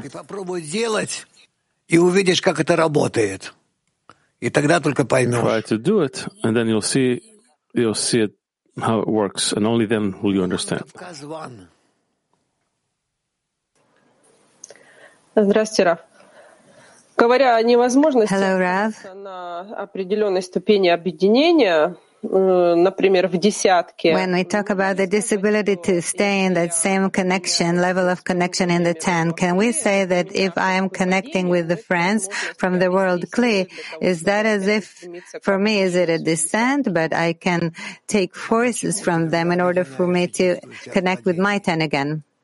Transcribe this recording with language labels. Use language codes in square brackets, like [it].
[ru] Ты попробуй делать, и увидишь, как это работает. И тогда только поймешь. [en] Try to do it, and then you'll see it, how it works, and only then will you understand. [ru] Здравствуйте, Раф. Говоря о невозможности на определенной ступени объединения, например, в десятке. [en] When we talk about the disability to stay in that same connection, level of connection in the ten, can we say that if I am connecting with the friends from the world Kli, is that as if, for me, is it a descent, but I can take forces from them in order for me to connect with my ten again?